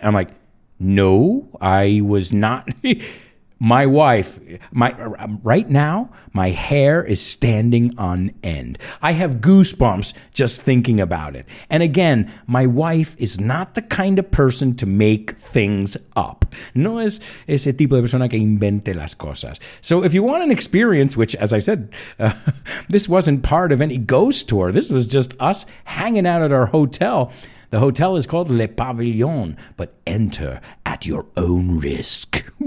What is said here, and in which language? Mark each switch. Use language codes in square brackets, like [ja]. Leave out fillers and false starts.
[en] I'm like, no, I was not. My wife, right now, my hair is standing on end. I have goosebumps just thinking about it. And again, my wife is not the kind of person to make things up. [es] No es ese tipo de persona que invente las cosas. [en] So if you want an experience, which, as I said, this wasn't part of any ghost tour. This was just us hanging out at our hotel. The hotel is called Le Pavillon, but enter at your own risk.